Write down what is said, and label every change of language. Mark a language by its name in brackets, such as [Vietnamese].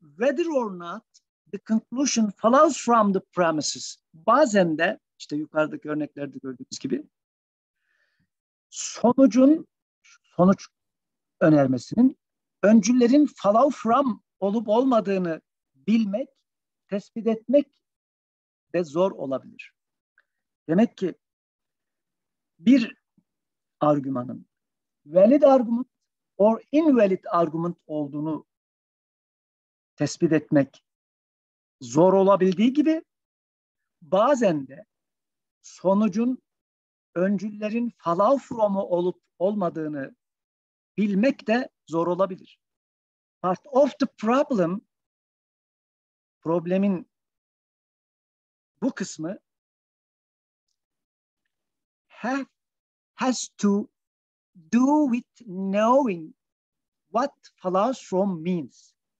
[English] Whether or not the conclusion follows from the premises. [Turkish] Bazen de işte yukarıdaki örneklerde gördüğünüz gibi sonuç önermesinin öncüllerin follow from olup olmadığını bilmek, tespit etmek de zor olabilir. Demek ki bir argümanın [English] valid argument or invalid argument [Turkish] olduğunu tespit etmek zor olabildiği gibi bazen de sonucun öncüllerin follow from'u olup olmadığını bilmek de zor olabilir. [English] Part of the problem, [Turkish] problemin bu kısmı [English] has to do with knowing what follows from means.